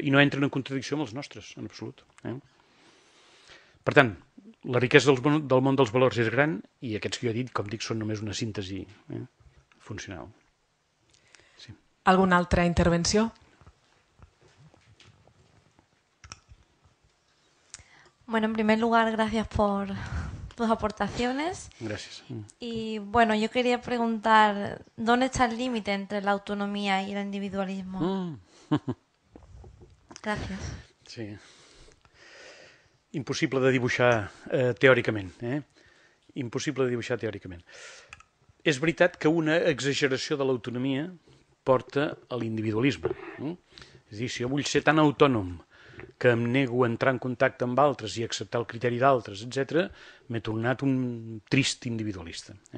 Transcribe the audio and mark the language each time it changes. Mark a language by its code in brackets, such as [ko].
[ca] I no entren en contradicció amb els nostres, en absolut. Per tant, la riquesa del món dels valors és gran i aquests que jo he dit, com dic, són només una síntesi funcional. Sí. Alguna altra intervenció? [es] Bueno, en primer lugar, gracias por... tus aportaciones. Gracias. Y bueno, yo quería preguntar, ¿dónde está el límite entre la autonomía y el individualismo? Gracias. [ca] Sí. Impossible de dibuixar teòricament. Impossible de dibuixar teòricament. És veritat que una exageració de l'autonomia porta a l'individualisme. És a dir, si jo vull ser tan autònom que em nego a entrar en contacte amb altres i acceptar el criteri d'altres, etc., m'he tornat un trist individualista.